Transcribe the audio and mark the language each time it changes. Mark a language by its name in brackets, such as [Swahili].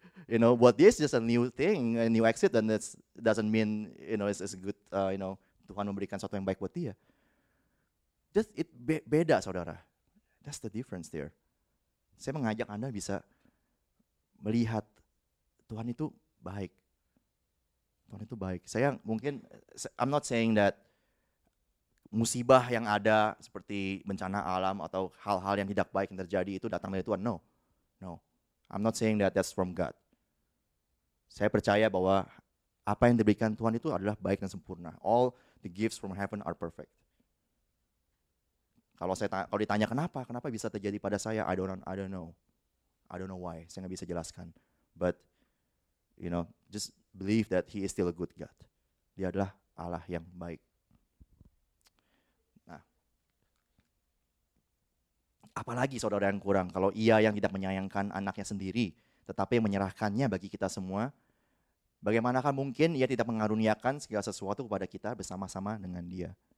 [English] You know, what this is just a new thing, a new exit, and it doesn't mean, you know, it's good, you know, [Indonesian] Tuhan memberikan sesuatu yang baik buat dia. [English] Just it [Indonesian] beda saudara, [English] that's the difference there. [Indonesian] Saya mengajak Anda bisa melihat Tuhan itu baik. Tuhan itu baik. Saya mungkin, [English] I'm not saying that [Indonesian] musibah yang ada seperti bencana alam atau hal-hal yang tidak baik yang terjadi itu datang dari Tuhan. [English] No. I'm not saying that that's from God. [Indonesian] Saya percaya bahwa apa yang diberikan Tuhan itu adalah baik dan sempurna. [English] All the gifts from heaven are perfect. [Indonesian] Kalau ditanya kenapa bisa terjadi pada saya, [English] I don't know why, [Indonesian] saya nggak bisa jelaskan. [English] But, you know, just believe that He is still a good God. [Indonesian] Dia adalah Allah yang baik. Nah, apalagi saudara yang kurang, kalau ia yang tidak menyayangkan anaknya sendiri, tetapi menyerahkannya bagi kita semua, bagaimanakah mungkin ia tidak mengaruniakan segala sesuatu kepada kita bersama-sama dengan dia.